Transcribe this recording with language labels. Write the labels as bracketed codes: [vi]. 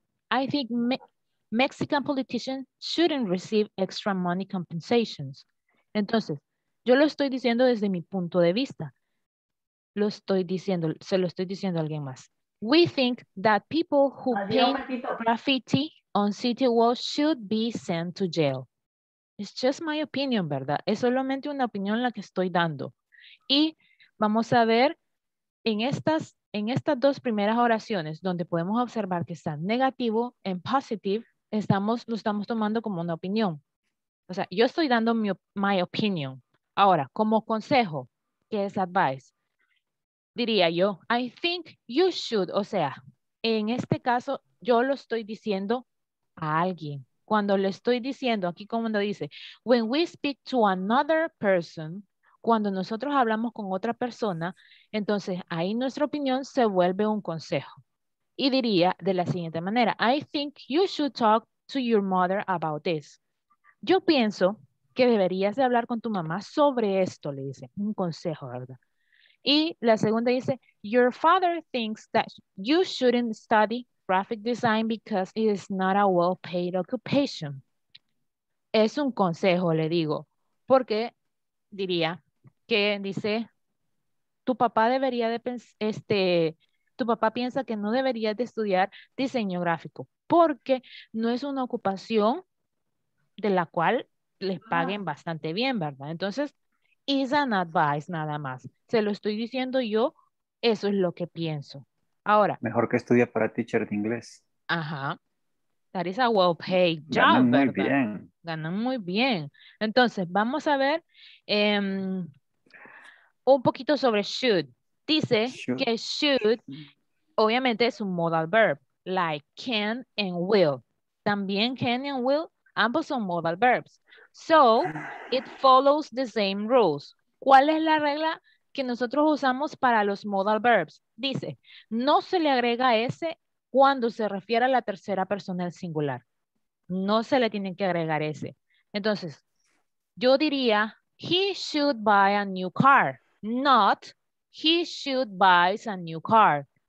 [en] I think Mexican politicians shouldn't receive extra money compensations. [es] Entonces, yo lo estoy diciendo desde mi punto de vista. Se lo estoy diciendo a alguien más. [en] We think that people who paint graffiti on city walls should be sent to jail. It's just my opinion, [es] ¿verdad? Es solamente una opinión la que estoy dando. Y vamos a ver en estas dos primeras oraciones donde podemos observar que está negativo, en positive, lo estamos tomando como una opinión. O sea, yo estoy dando [en] my opinion. [es] Ahora, como consejo, que es advice, diría yo, [en] I think you should, [es] o sea, en este caso yo lo estoy diciendo a alguien. Cuando le estoy diciendo, aquí cuando dice, [en] when we speak to another person, [es] cuando nosotros hablamos con otra persona, entonces ahí nuestra opinión se vuelve un consejo. Y diría de la siguiente manera, [en] I think you should talk to your mother about this. [es] Yo pienso que deberías de hablar con tu mamá sobre esto, le dice. Un consejo, ¿verdad? Y la segunda dice, [en] your father thinks that you shouldn't study graphic design because it is not a well-paid occupation. [es] Es un consejo, le digo. Porque diría que dice, tu papá debería de pensar, tu papá piensa que no deberías de estudiar diseño gráfico porque no es una ocupación de la cual les paguen bastante bien, ¿verdad? Entonces, [en] is an advice [es] nada más. Se lo estoy diciendo yo, eso es lo que pienso. Ahora. Mejor que estudie para teacher de inglés. [en] Ajá. That is a well-paid job, [es] ¿verdad? Ganan muy bien. Ganan muy bien. Entonces, vamos a ver un poquito sobre should. Dice should. Que should, obviamente, es un modal verb, [en] like can and will. [es] También can and will, ambos son modal verbs. [en] So, it follows the same rules. [es] ¿Cuál es la regla que nosotros usamos para los modal verbs? Dice, no se le agrega ese cuando se refiere a la tercera persona del singular. No se le tiene que agregar ese. Entonces, yo diría, [en] he should buy a new car, not he should buy a new car.